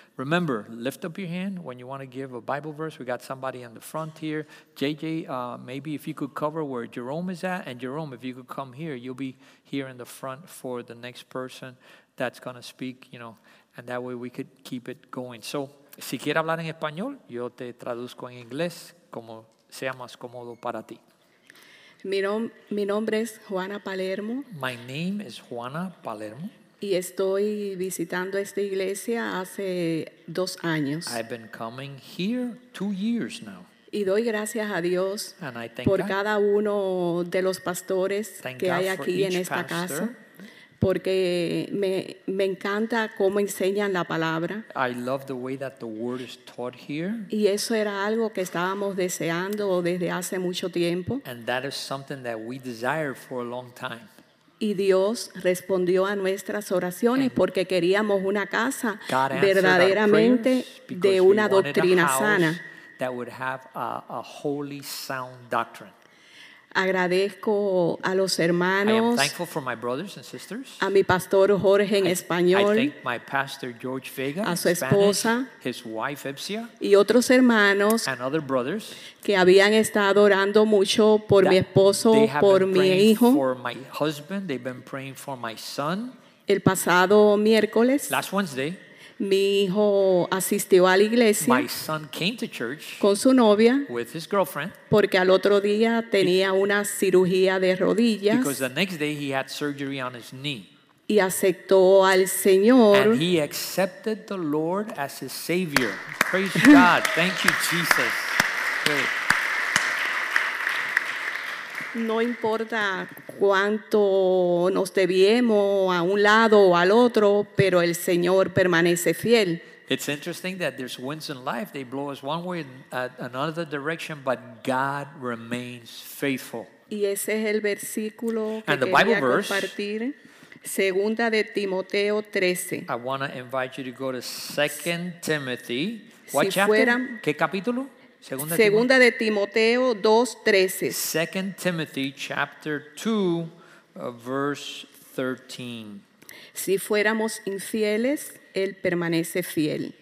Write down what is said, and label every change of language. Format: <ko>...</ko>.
<en>Remember, lift up your hand when you want to give a Bible verse. We got somebody on the front here. JJ, maybe if you could cover where Jerome is at, and Jerome, if you could come here, you'll be here in the front for the next person that's going to speak, you know, and that way we could keep it going.</en> <es>So, si quieres hablar en español, yo te traduzco en inglés, como sea más cómodo para ti. Mi nombre es Juana Palermo.</es> <en>My name is Juana Palermo.</en> <es>Y estoy visitando esta iglesia hace 2 años.</es> <en>I've been coming here 2 years now.</en> <es>Y doy gracias a Dios por cada uno de los pastores que hay aquí en esta casa. Porque me encanta cómo enseñan la palabra.</es> <en>I love the way that the word is taught here.</en> <es>Y eso era algo que estábamos deseando desde hace mucho tiempo.</es> <en>And that is something that we desired for a long time.</en> <es>Y Dios respondió a nuestras oraciones porque queríamos una casa verdaderamente de una doctrina sana.</es> <en>That would have a holy sound doctrine.</en> <es>Agradezco a los hermanos.</es> <en>I am thankful for my brothers and sisters.</en> <es>A mi pastor Jorge en español.</es> <en>I thank my pastor George Vega.</en> <es>A su esposa.</es> <en>Spanish, his wife Epsia.</en> <es>Y otros hermanos.</es> <en>And other brothers.</en> <es>Que habían estado orando mucho por mi esposo, por mi hijo.</es> <en>For my husband. They've been praying for my son.</en> <es>El pasado miércoles.</es> <en>Last Wednesday.</en> <es>Mi hijo asistió a la iglesia.</es> <en>My son came to church</en> <es>con su novia.</es> <en>With his girlfriend.</en> <es>Porque al otro día tenía una cirugía de rodillas.</es> <en>Because the next day he had surgery on his knee.</en> <es>Y aceptó al Señor.</es> <en>And he accepted the Lord as his Savior. Praise God. Thank you, Jesus. Great.</en> <es>No importa cuánto nos debiemos a un lado o al otro, pero el Señor permanece fiel.</es> <en>It's interesting that there's winds in life. They blow us one way and another direction, but God remains faithful.</en> <es>Y ese es el versículo que quería compartir. Segunda de Timoteo 13.</es> <en>I want to invite you to go to 2 Timothy. What chapter?</en> <es>¿Qué capítulo? Segunda de Timoteo 2:13.</es> <en>2 Timothy chapter 2 verse 13.</en> <es>Si fuéramos infieles, él permanece fiel.</es>